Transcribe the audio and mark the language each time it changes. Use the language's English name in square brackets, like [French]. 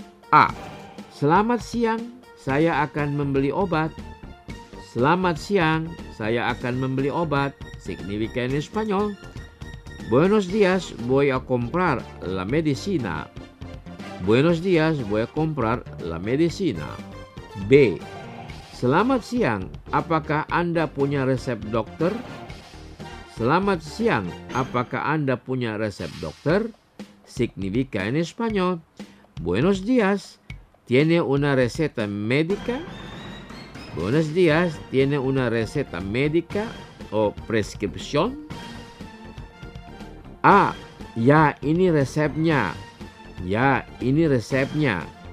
[Indonesian] A. Selamat siang, saya akan membeli obat. Selamat siang, saya akan membeli obat. [Spanish] Significa en español. Buenos días, voy a comprar la medicina. Buenos días, voy a comprar la medicina. B. [Indonesian] Selamat siang, apakah Anda punya resep dokter? Selamat siang, apakah Anda punya resep dokter? [Spanish] Significa en español. Buenos días, ¿tiene una receta médica? Buenos días, ¿tiene una receta médica o prescripción? [Indonesian] Ah, ya ini resepnya. Ya ini resepnya.